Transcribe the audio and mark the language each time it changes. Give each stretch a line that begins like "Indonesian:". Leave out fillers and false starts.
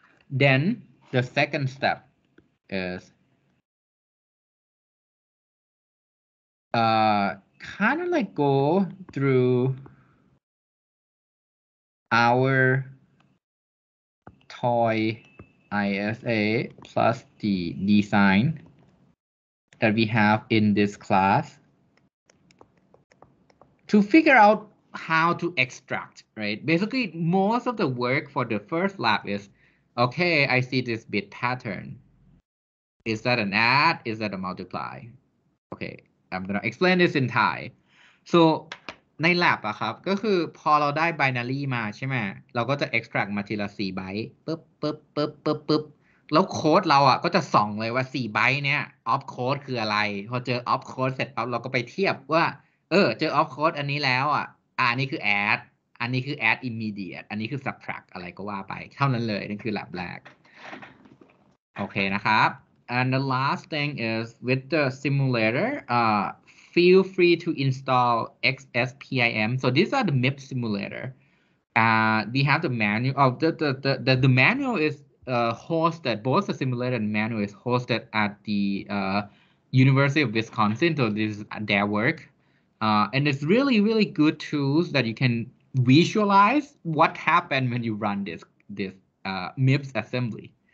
English: Then the second step is kind of like go through our toy ISA plus the design that we have in this class to figure out how to extract, right? Basically, most of the work for the first lab is, okay, I see this bit pattern. Is that an add? Is that a multiply? Okay, I'm gonna explain this in Thai.
Thai: So, ในลับอะครับก็คือพอเราได้ binary มาใช่ไหมเราก็จะ extract มาทีละ4 byte ปึ๊บปึ๊บปึ๊บปึ๊บปึ๊บ แล้วโค้ดเราอะก็จะส่องเลยว่า4 byte เนี้ย off code คืออะไรพอเจอ off code เสร็จปั๊บเราก็ไปเทียบว่าเออเจอ off code อันนี้แล้วอะอันนี้คือ add อันนี้คือ add immediate อันนี้คือ subtract อะไรก็ว่าไปเท่านั้นเลยนั่นคือลับแรกโอเคนะครับ
English: and the last thing is with the simulator feel free to install XSPIM. So these are the MIPS simulator. We have the manual. Oh, the manual is hosted. Both the simulator and manual is hosted at the University of Wisconsin. So this is their work. And it's really, really good tools that you can visualize what happened when you run this MIPS assembly.